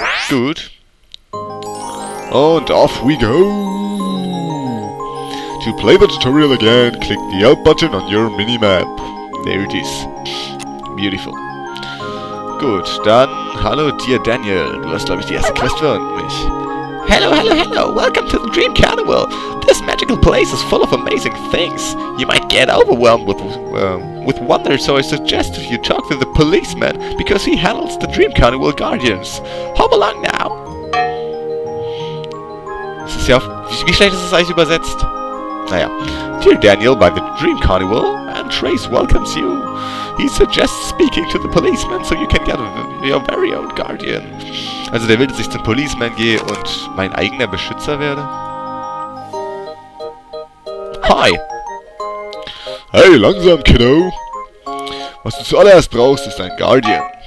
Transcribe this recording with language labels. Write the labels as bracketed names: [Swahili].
[German] Gut. Und [English] off we go! To play the tutorial again, click the out button on your minimap. There it is. Beautiful. [German] Gut, dann hallo dir Daniel. Du hast glaube ich die erste Quest für mich. [English] Hello, hello, hello! Welcome to the Dream Carnival! This magical place is full of amazing things! You might get overwhelmed with wonder, so I suggest you talk to the policeman, because he handles the Dream Carnival Guardians. Hop along now! [German] Das ist ja... Wie schlecht ist es eigentlich übersetzt? Naja. [English] Dear Daniel, by the Dream Carnival, and Trace welcomes you. He suggests speaking to the policeman, so you can get your very own guardian. [German] Also der will, dass ich zum Policeman gehe und mein eigener Beschützer werde? [English] Hi! [German] Hey, langsam, Kiddo! Was du zuallererst brauchst, ist ein Guardian.